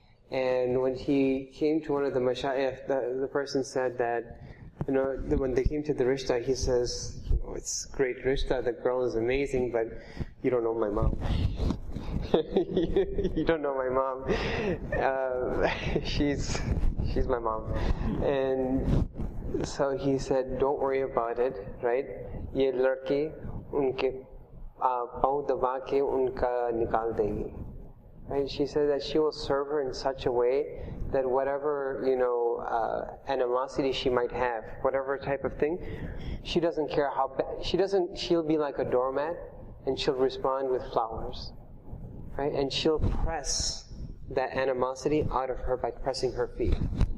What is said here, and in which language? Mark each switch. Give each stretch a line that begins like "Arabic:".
English: And when he came to one of the mashayikh, the person said that, you know, when they came to the rishta, he says, you know, it's great rishta, the girl is amazing, but you don't know my mom. You don't know my mom. She's my mom. And so he said, don't worry about it, right?
Urdu: یہ لڑکی ان کے پاؤں دبا کے ان کا نکال دے گی.
English: Right? She said that she will serve her in such a way that whatever, you know, animosity she might have, whatever type of thing, she doesn't care how bad, she'll be like a doormat and she'll respond with flowers. Right? And she'll press that animosity out of her by pressing her feet.